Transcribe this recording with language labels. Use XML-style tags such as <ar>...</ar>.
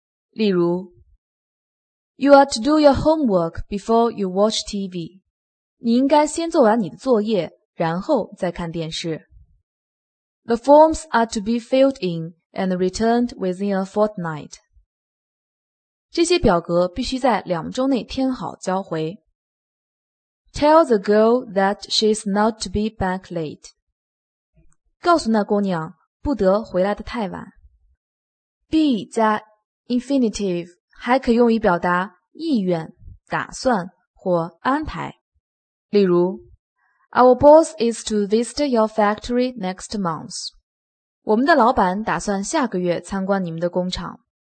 <zh>例如</zh> <en>You are to do your homework before you watch TV.</en> <zh>你应该先做完你的作业然后再看电视。</zh> <en>The forms are to be filled in and returned within a fortnight.</en> <zh>这些表格必须在两周内填好交回。</zh> <en>Tell the girl that she is not to be back late.</en> <zh>告诉那姑娘不得回来得太晚。 Be 加 infinitive 还可用于表达意愿、打算或安排。例如</zh> <en>Our boss is to visit your factory next month.</en> <zh>我们的老板打算下个月参观你们的工厂。</zh>